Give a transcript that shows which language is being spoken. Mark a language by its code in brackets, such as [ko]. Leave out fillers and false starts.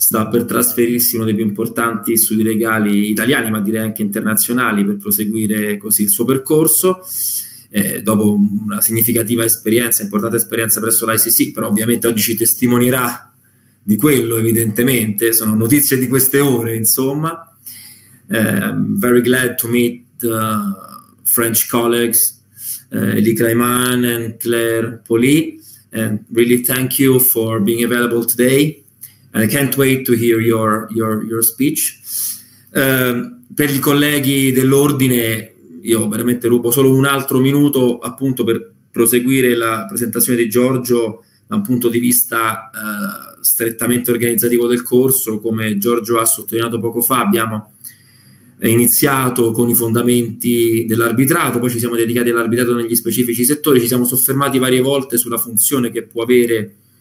[it] per trasferirsi uno dei più importanti studi legali italiani, ma direi anche internazionali, per proseguire così il suo percorso, dopo una significativa esperienza, importante esperienza presso l'ICC, però ovviamente oggi ci testimonierà di quello, evidentemente, sono notizie di queste ore, insomma. [en] Very glad to meet the French colleagues, Elie Kleiman and Claire Poli, and really thank you for being available today. And I can't wait to hear your speech. [it] Per i colleghi dell'ordine, io veramente rubo solo un altro minuto appunto per proseguire la presentazione di Giorgio da un punto di vista strettamente organizzativo del corso. Come Giorgio ha sottolineato poco fa, abbiamo iniziato con i fondamenti dell'arbitrato, poi ci siamo dedicati all'arbitrato negli specifici settori, ci siamo soffermati varie volte sulla funzione che può avere